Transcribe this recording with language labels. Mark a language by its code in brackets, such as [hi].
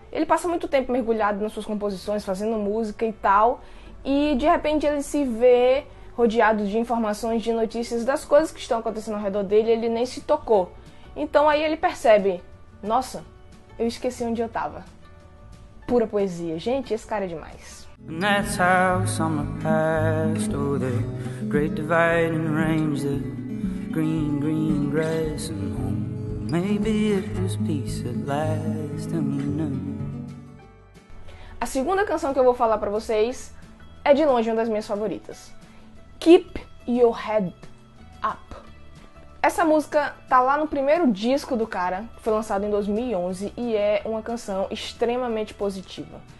[pt] Ele passa muito tempo mergulhado nas suas composições, fazendo música e tal, e de repente ele se vê rodeado de informações, de notícias das coisas que estão acontecendo ao redor dele, ele nem se tocou. Então aí ele percebe: nossa, eu esqueci onde eu tava. Pura poesia. Gente, esse cara é demais. [en] And that's how summer passed, oh, the great dividing range, the green, green grass and home. Maybe it was peace at last, and you know. [pt] A segunda canção que eu vou falar pra vocês é de longe uma das minhas favoritas. Keep Your Head Up. Essa música tá lá no primeiro disco do cara, que foi lançado em 2011, e é uma canção extremamente positiva.